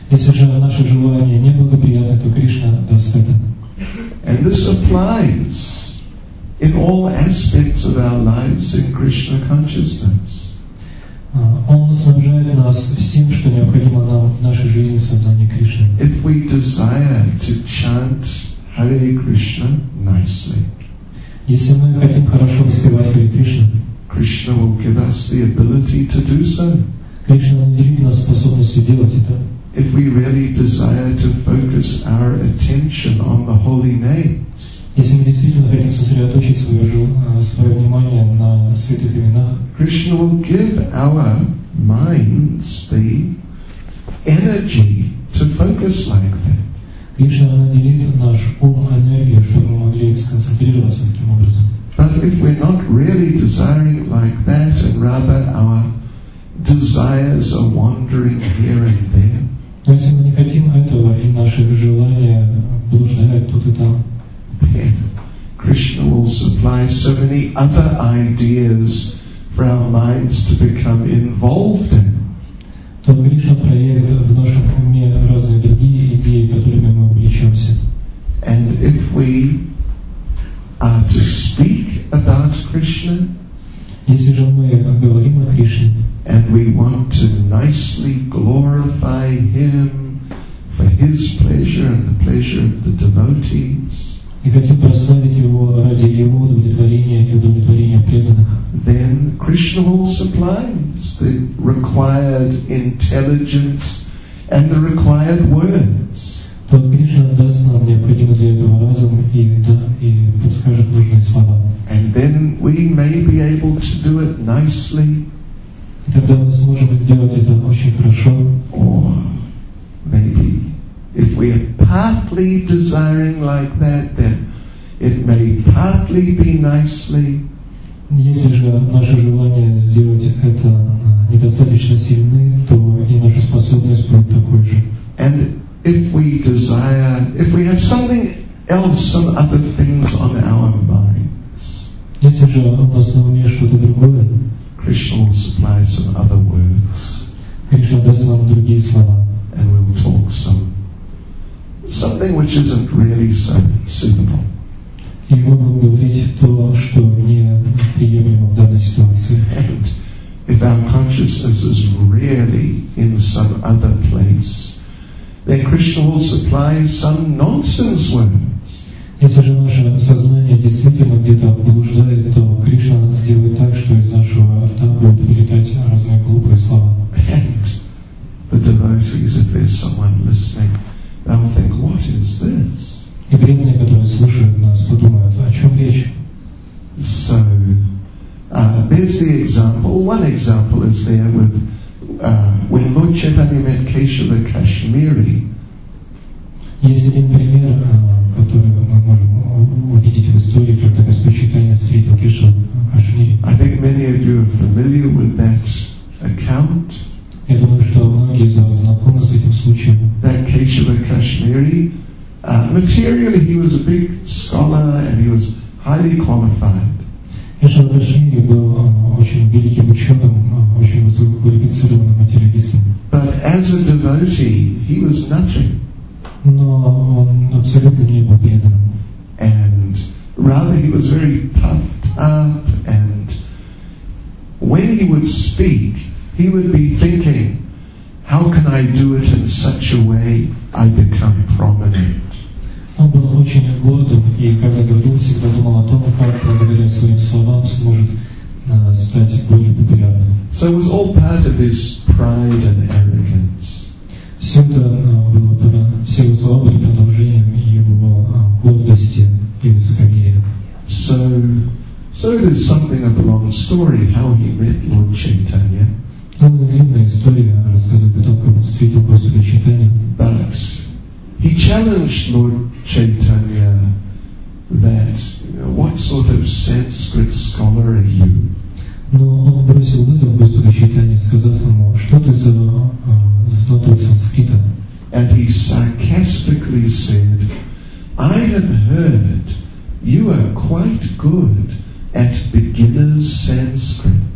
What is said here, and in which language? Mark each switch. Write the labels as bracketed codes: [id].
[en] And this applies in all aspects of our lives in Krishna consciousness. [ru] Он снабжает нас всем, что необходимо нам в нашей жизни в сознании Кришны. [en] If we desire to chant Hare Krishna nicely, [ru] если мы хотим хорошо воспевать Хари Кришну, [en] Krishna will give us the ability to do so. [ru] Кришна наделит нас способностью делать это. [en] If we really desire to focus our attention on the holy names, [ru] если мы действительно хотим сосредоточить свое внимание на святых именах, [en] Krishna will give our minds the energy to focus like that. [ru] Кришна наделит наш ум энергией, чтобы мы могли сконцентрироваться таким образом. [en] But if we're not really desiring like that, and rather our desires are wandering here and there, [ru] но если мы не хотим этого, и наши желания блуждают тут и там, [en] then Krishna will supply so many other ideas for our minds to become involved in. [ru] То Кришна проявит в нашем уме разные другие идеи, которыми мы увлечемся. [en] And if we are to speak about Krishna, [ru] если же мы говорим о Кришне, [en] and we want to nicely glorify Him for His pleasure and the pleasure of the devotees, [ru] и хотим прославить Его ради Его удовлетворения и удовлетворения преданных, [en] then Krishna will supply the required intelligence and the required words. [ru] То Кришна даст нам необходимый для этого разум и подскажет нужные слова. [en] And then we may be able to do it nicely. [ru] Тогда мы сможем делать это очень хорошо. [en] Or maybe if we are partly desiring like that, then it may partly be nicely. [ru] Если же наше желание сделать это недостаточно сильны, то и наша способность будет такой же. [en] And if we desire, if we have something else, some other things on our minds, [ru] если же у нас на уме что-то другое, [en] Krishna will supply some other words. [ru] Krishna даст нам другие слова. [en] And we'll talk something which isn't really so suitable. [ru] И мы будем говорить то, что не приемлемо в данной ситуации. [en] And if our consciousness is really in some other place, then Krishna will supply some nonsense words. [ru] Если же наше сознание действительно где-то блуждает, то Кришна сделает так, что из нашего рта будут вылетать разные глупые слова. [en] And the devotees, if there's someone listening, they'll think, what is this? [ru] И преданные, которые слушают нас, подумают, о чем речь? [en] So, there's the example. One example is there with when Lord Chaitanya met Keshava Kashmiri. [ru] Есть один пример, который мы можем увидеть в истории, когда Господь Чайтанья встретил Кешава Кашмири. [en] I think many of you are familiar with that account. [ru] Я думаю, что многие из вас знакомы с этим случаем. [en] That Keshava Kashmiri. Materially, he was a big scholar and he was highly qualified. [ru] Кешава Кашмири был очень великим ученым, очень высококвалифицированным материалистом. [en] But as a devotee, he was nothing. [ru] Но он абсолютно не был преданным. [en] And rather, he was very puffed up. And when he would speak, he would be thinking, how can I do it in such a way I become prominent? [ru] Он был очень гордым, и когда говорил, всегда думал о том, как благодаря своим словам сможет стать более популярным. [en] So it was all part of his pride and arrogance. [ru] Все это было, все его слова были продолжением его гордости и высокомерия. [en] So it is something of a long story how he met Lord Chaitanya. [ru] Довольно длинная история рассказывает о том, как он встретил Господа Чайтанью. [en] But he challenged Lord Chaitanya that what sort of Sanskrit scholar are you? [ru] Но он бросил вызов Господу Чайтанью, сказав ему, что ты за знаток санскрита? [en] And he sarcastically said, I have heard you are quite good at beginner's Sanskrit.